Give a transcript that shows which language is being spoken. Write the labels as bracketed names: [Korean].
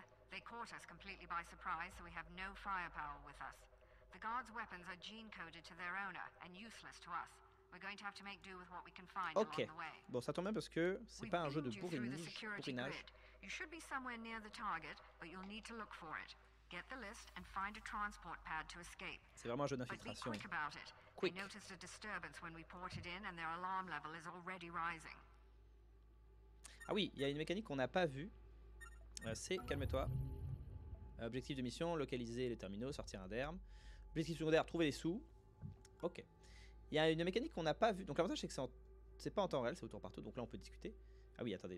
[English] They caught us completely by surprise, so we have no firepower with us. The guards' weapons are gene-coded to their owner and useless to us. We're going to have to make do with what we can find along the way. Okay. [French] Bon, ça tombe bien parce que c'est pas un jeu de bourrinage. [English] You should be somewhere near the target, but you'll need to look for it. Get the list and find a transport pad to escape. [French] C'est vraiment un jeu d'infiltration. [English] But be quick about it. We noticed a disturbance when we ported in, and their alarm level is already rising. [French] Ah oui, il y a une mécanique qu'on n'a pas vue. C'est calme-toi. Objectif de mission, localiser les terminaux, sortir un derme. Objectif secondaire, trouver les sous. Ok. Il y a une mécanique qu'on n'a pas vue. Donc l'avantage, c'est que c'est pas en temps réel, c'est au tour par tour. Donc là, on peut discuter. Ah oui, attendez.